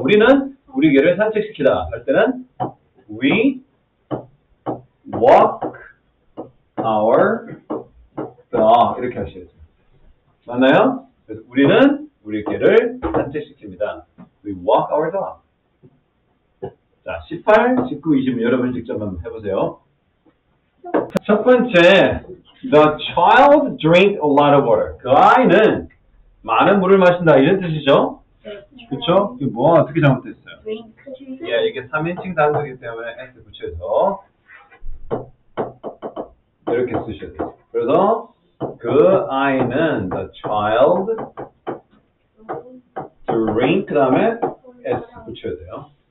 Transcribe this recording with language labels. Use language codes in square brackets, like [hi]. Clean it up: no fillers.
[ko] 우리는 우리 개를 산책시키다 할 때는 [en] we walk our dog [ko] 이렇게 하셔야죠. 맞나요? 그래서 우리는 우리 개를 산책시킵니다. [en] We walk our dog. [ko] 자, 18, 19, 20 여러분 직접 한번 해보세요. 첫 번째, [en] the child drank a lot of water. [ko] 그 아이는 많은 물을 마신다 이런 뜻이죠? 네. 그쵸? 이게 뭐 어떻게 잘못됐어요? [en] Drink. [ko] 예, 이게 3인칭 단수이기 때문에 S 붙여서 이렇게 쓰셔야 돼요. 그래서 그 아이는 [en] the child drink [ko] 그 다음에 S 붙여야 돼요.